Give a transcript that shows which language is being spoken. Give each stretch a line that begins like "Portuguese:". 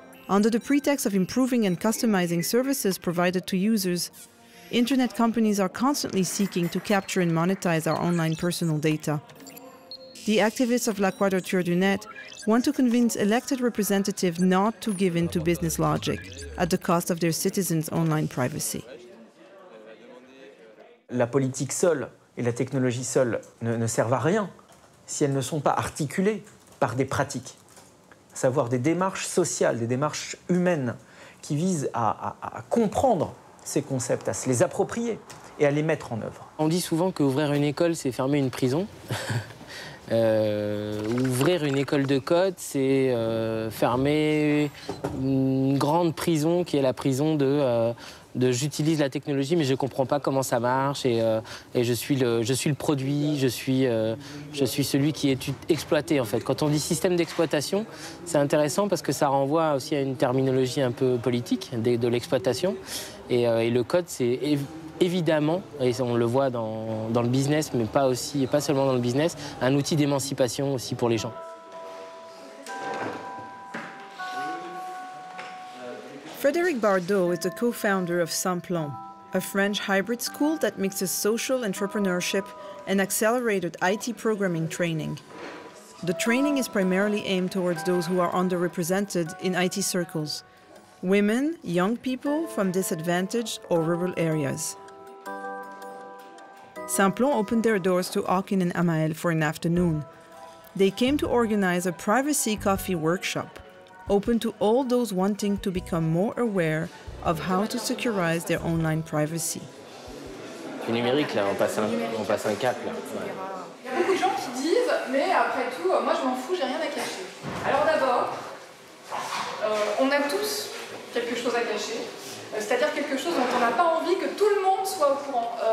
English: Under the pretext of improving and customizing services provided to users, internet companies are constantly seeking to capture and monetize our online personal data. The activists of La Quadrature du Net want to convince elected representatives not to give in to business logic at the cost of their citizens' online privacy.
French: La politique seule et la technologie seule ne servent à rien si elles ne sont pas articulées par des pratiques. Savoir des démarches sociales, des démarches humaines qui vise à comprendre ces concepts, à se les approprier et à les mettre en œuvre. On dit souvent qu'ouvrir une école, c'est fermer une prison. Ouvrir une école de code, c'est fermer une grande prison qui est la prison de j'utilise la technologie, mais je ne comprends pas comment ça marche et je suis le produit, je suis celui qui est exploité, en fait. Quand on dit système d'exploitation, c'est intéressant parce que ça renvoie aussi à une terminologie un peu politique de l'exploitation. Et le code, c'est évidemment, et on le voit dans le business, mais pas seulement dans le business, un outil d'émancipation aussi pour les gens.
English: Frédéric Bardot is the co-founder of Samplon, a French hybrid school that mixes social entrepreneurship and accelerated IT programming training. The training is primarily aimed towards those who are underrepresented in IT circles: women, young people from disadvantaged or rural areas. Samplon opened their doors to Akin and Amael for an afternoon. They came to organize a privacy coffee workshop, open to all those wanting to become more aware of how to securize their online privacy.
French: Du numérique, là, on passe un cap, là. Il y a beaucoup de gens qui disent, mais après tout, moi je m'en fous, j'ai rien à cacher. Alors d'abord, on a tous quelque chose à cacher, c'est-à-dire quelque chose dont on n'a pas envie que tout le monde soit au courant.